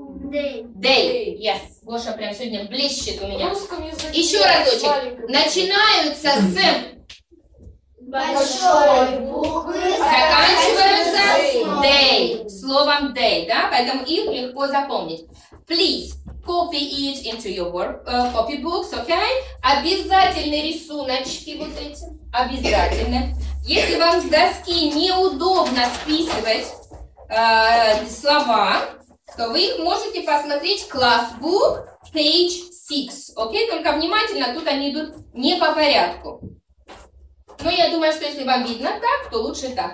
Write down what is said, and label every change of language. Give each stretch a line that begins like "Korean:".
English: Day. Day. Yes.
Russian: Гоша прям сегодня блещет у меня. В русском языке. Еще разочек. Начинаются с... Большой буквы заканчиваются day, словом day, да? Поэтому их легко запомнить.
English: Please copy it into your work, copy books, okay?
Russian: Обязательно рисуночки вот эти, обязательно. Если вам с доски неудобно списывать слова, то вы их можете посмотреть
English: class book page 6,
Russian: okay? Только внимательно, тут они идут не по порядку. Но я думаю, что если вам видно так, то лучше так.